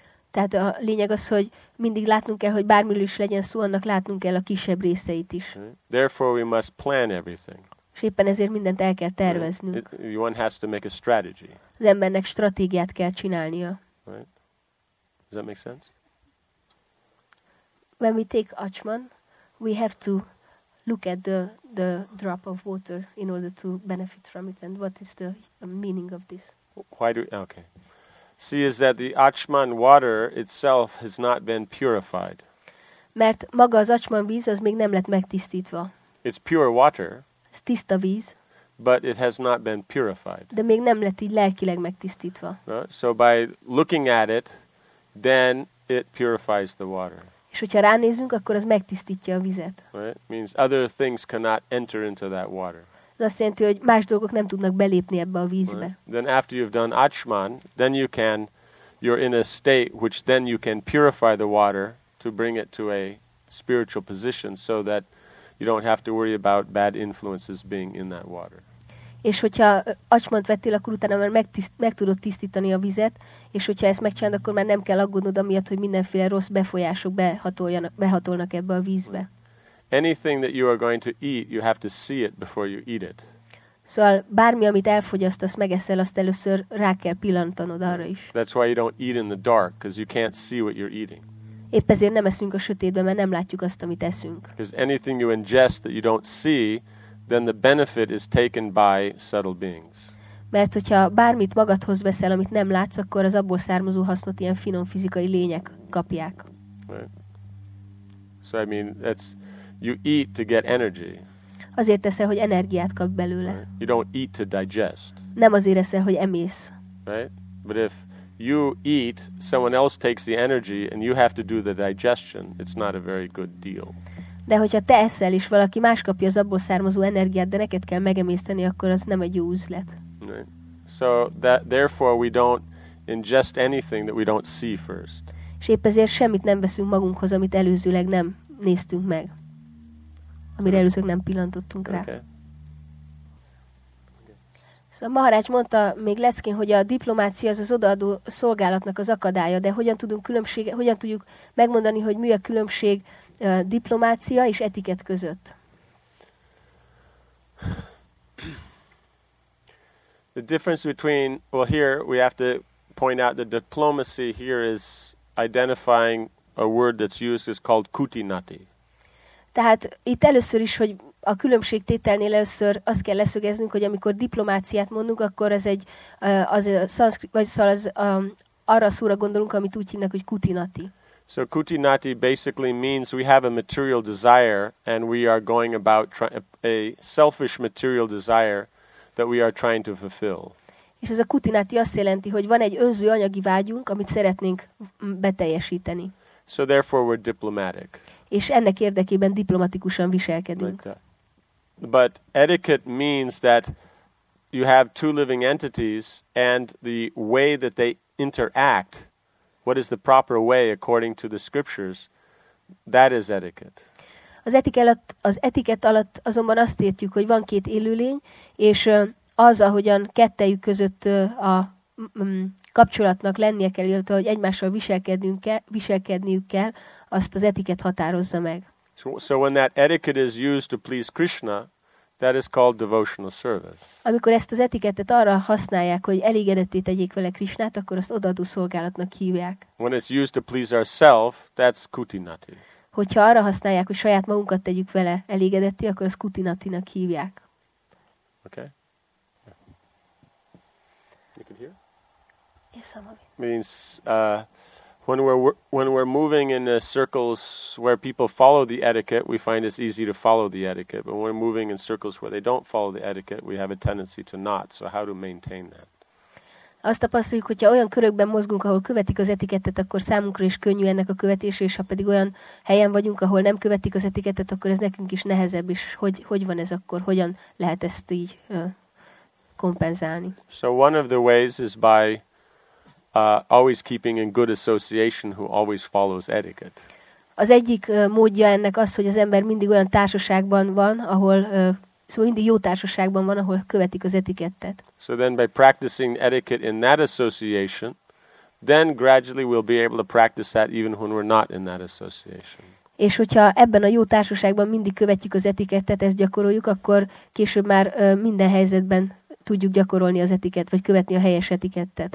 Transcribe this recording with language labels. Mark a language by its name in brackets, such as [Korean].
[Hungarian] Tehát a lényeg az, hogy mindig látnunk kell, hogy bármi is legyen szó, annak látnunk kell a kisebb részeit is. [English] Therefore we must plan everything. [Hungarian] És éppen ezért mindent el kell terveznünk. [English] One has to make a strategy. [Hungarian] Az embernek stratégiát kell csinálnia. [English] Right. Does that make sense? When we take Achman, we have to look at the drop of water in order to benefit from it. And what is the meaning of this? Why do we, okay? See, is that the Achman water itself has not been purified. [Hungarian] Mert maga az Achman víz az még nem lett megtisztítva. [English] It's pure water. [Hungarian] Ez tiszta víz. [English] But it has not been purified. [Hungarian] De még nem lett így lelkileg megtisztítva. [English] So by looking at it, then it purifies the water. [Hungarian] És hogyha ránézünk, akkor az megtisztítja a vizet. [English] Right? Means other things cannot enter into that water. [Hungarian] Ez azt jelenti, hogy más dolgok nem tudnak belépni ebbe a vízbe. [English] Right? Then after you've done Achman, then you can, you're in a state which then you can purify the water to bring it to a spiritual position so that you don't have to worry about bad influences being in that water. [Hungarian] És hogyha acsmant vettél, akkor utána már meg tudod tisztítani a vizet, és hogyha ezt megcsinálod, akkor már nem kell aggódnod amiatt, hogy mindenféle rossz befolyások behatolnak ebbe a vízbe. [English] Anything that you are going to eat, you have to see it before you eat it. [Hungarian] Szóval bármi, amit elfogyasztasz, megeszel, azt először rá kell pillantanod arra is. [English] That's why you don't eat in the dark, because you can't see what you're eating. [Hungarian] Épp ezért nem eszünk a sötétben, mert nem látjuk azt, amit eszünk. [English] Because anything you ingest that you don't see, then the benefit is taken by subtle beings. [Hungarian] Mert hogyha bármit magadhoz veszel, amit nem látsz, akkor az abból származó hasznot ilyen finom fizikai lények kapják. [English] Right. So I mean, that's you eat to get energy. [Hungarian] Azért eszel, hogy energiát kap belőle. [English] Right. You don't eat to digest. [Hungarian] Nem azért eszel, hogy emész. [English] Right? But if you eat, someone else takes the energy, and you have to do the digestion. It's not a very good deal. [Hungarian] De hogyha te eszel, és valaki más kapja az abból származó energiát, de neked kell megemészteni, akkor az nem egy jó üzlet. [English] Right. So that therefore we don't ingest anything that we don't see first. [Hungarian] És épp ezért semmit nem veszünk magunkhoz, amit előzőleg nem néztünk meg. Amire előzőleg nem pillantottunk rá. [English] Okay. [Hungarian] Szóval Maharács mondta még leckén, hogy a diplomácia az az odaadó szolgálatnak az akadálya, de hogyan tudunk különbséget, hogyan tudjuk megmondani, hogy mi a különbség diplomácia és etiket között? [English] The difference between, well, here we have to point out that diplomacy here is identifying a word that's used is called kutinati. [Hungarian] Tehát itt először is, hogy a különbségtételnél először azt kell leszögeznünk, hogy amikor diplomáciát mondunk, akkor ez egy az szanszkrit, vagy szóval az arra szóra gondolunk, amit úgy hívnak, hogy kutinati. [English] So kutinati basically means we have a material desire and we are going about a selfish material desire that we are trying to fulfill. [Hungarian] És ez a kutinati azt jelenti, hogy van egy önző anyagi vágyunk, amit szeretnénk beteljesíteni. [English] So therefore we're diplomatic. [Hungarian] És ennek érdekében diplomatikusan viselkedünk. [English] Like but etiquette means that you have two living entities and the way that they interact, what is the proper way according to the scriptures, that is etiquette. [Hungarian] Az etikett alatt azonban azt értjük, hogy van két élőlény, és az, ahogyan kettejük között a kapcsolatnak lennie kell, illetve, hogy egymással viselkedniük kell, azt az etikett határozza meg. [English] So when that etiquette is used to please Krishna, that is called devotional service. [Hungarian] Amikor ezt az etikettet arra használják, hogy elégedetté tegyék vele Krishnát, akkor azt odaadó szolgálatnak hívják. [English] When it's used to please ourselves, that's kutinati. [Hungarian] Hogyha arra használják, hogy saját magunkat tegyük vele elégedetté, akkor azt kutinatinak hívják. [English] Okay. You can hear? Yes, some of it. Means when we're moving in the circles where people follow the etiquette, we find it's easy to follow the etiquette. But when we're moving in circles where they don't follow the etiquette, we have a tendency to not. So how to maintain that? [Hungarian] Azt tapasztaljuk, hogyha olyan körökben mozgunk, ahol követik az etikettet, akkor számunkra is könnyű ennek a követése, és ha pedig olyan helyen vagyunk, ahol nem követik az etikettet, akkor ez nekünk is nehezebb, és hogy van ez akkor, hogyan lehet ezt így kompenzálni. [English] So one of the ways is by always keeping in good association who always follows etiquette. [Hungarian] Az egyik módja ennek az, hogy az ember mindig olyan társaságban van, ahol szóval mindig jó társaságban van, ahol követik az etikettet. [English] So then by practicing etiquette in that association, then gradually we'll be able to practice that even when we're not in that association. [Hungarian] És hogyha ebben a jó társaságban mindig követjük az etikettet, ezt gyakoroljuk, akkor később már minden helyzetben tudjuk gyakorolni az etikett, vagy követni a helyes etikettet.